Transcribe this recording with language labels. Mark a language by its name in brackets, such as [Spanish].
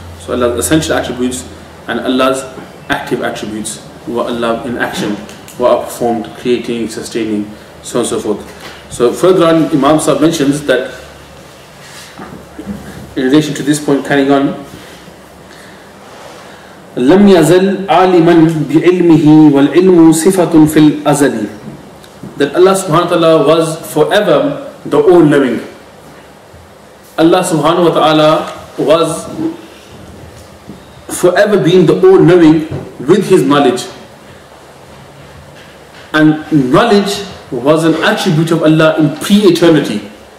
[English] So Allah's essential attributes and Allah's active attributes. Wa Allah in action, wa are performed, creating, sustaining, so on and so forth. So further on, Imam Sahib mentions that in relation to this point, carrying on, [Arabic] لم يزل عالما بعلمه والعلم صفة في الأزل. [English] That Allah subhanahu wa ta'ala was forever the all-knowing. Allah subhanahu wa ta'ala was forever being the all-knowing with his knowledge. And knowledge was an attribute of Allah in pre-eternity.